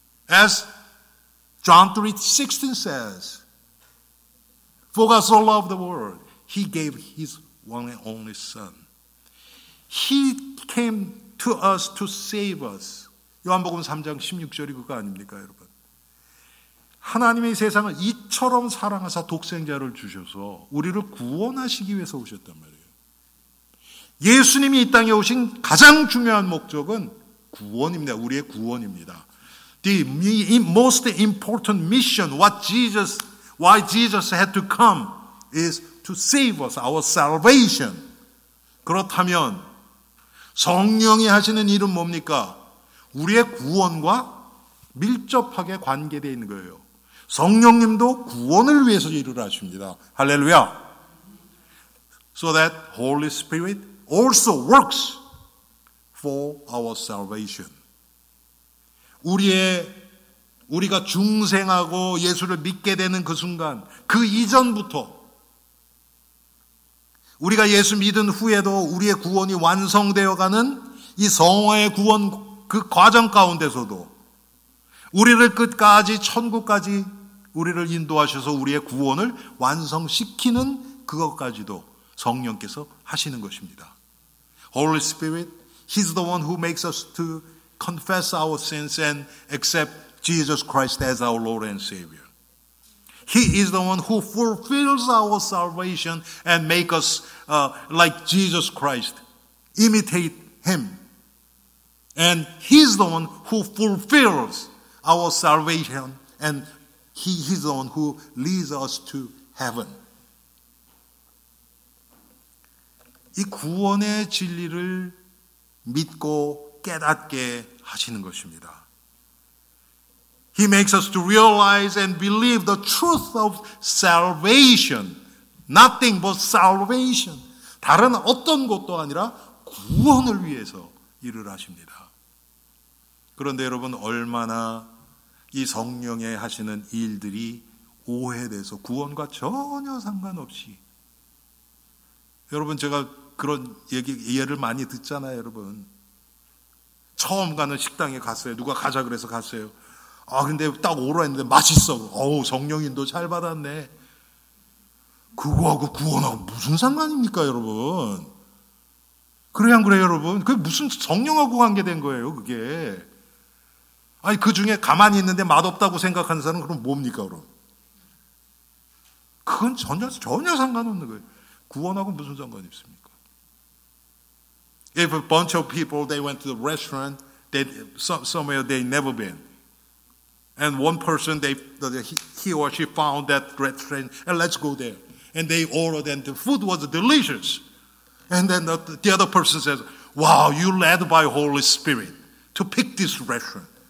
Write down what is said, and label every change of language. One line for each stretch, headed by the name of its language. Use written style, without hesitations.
English: As John 3:16 says, For God so loved the world, he gave his one and only son. He came to us to save us.
Korean: 요한복음 3장 16절이 그거 아닙니까, 여러분? 하나님의 세상을 이처럼 사랑하사 독생자를 주셔서 우리를 구원하시기 위해서 오셨단 말이에요. 예수님이 이 땅에 오신 가장 중요한 목적은 구원입니다. 우리의 구원입니다.
English: The most important mission, why Jesus had to come is to save us, our salvation.
Korean: 그렇다면 성령이 하시는 일은 뭡니까? 우리의 구원과 밀접하게 관계되어 있는 거예요. 성령님도 구원을 위해서 일을 하십니다. 할렐루야.
English: So that Holy Spirit also works for our salvation.
Korean: 우리가 중생하고 예수를 믿게 되는 그 순간, 그 이전부터 우리가 예수 믿은 후에도 우리의 구원이 완성되어가는 이 성화의 구원 그 과정 가운데서도 우리를 끝까지 천국까지 우리를 인도하셔서 우리의 구원을 완성시키는 그것까지도 성령께서 하시는 것입니다.
English: Holy Spirit, He's the one who makes us to confess our sins and accept Jesus Christ as our Lord and Savior. He is the one who fulfills our salvation and make us like Jesus Christ. Imitate Him. And He's the one who fulfills our salvation and He is the one who leads us to heaven.
Korean: 이 구원의 진리를 믿고 깨닫게 하시는 것입니다.
English: He makes us to realize and believe the truth of salvation. Nothing but salvation.
Korean: 다른 어떤 것도 아니라 구원을 위해서 일을 하십니다. 그런데 여러분 얼마나 이 성령에 하시는 일들이 오해돼서 구원과 전혀 상관없이 여러분 제가 그런 예를 많이 듣잖아요 여러분 처음 가는 식당에 갔어요 누가 가자 그래서 갔어요 아 근데 딱 오라 했는데 맛있어 어우 성령인도 잘 받았네 그거하고 구원하고 무슨 상관입니까 여러분 그래 안 그래 여러분 그게 무슨 성령하고 관계된 거예요 그게 아니 그 중에 가만히 있는데 맛없다고 생각하는 사람은 그럼 뭡니까 그럼? 그건 전혀 상관없는 거예요. 구원하고 무슨 상관이 있습니까?
English: If a bunch of people they went to the restaurant they somewhere they never been and one person he or she found that restaurant and let's go there and they ordered and the food was delicious and then the other person says wow you led by Holy Spirit to pick this restaurant.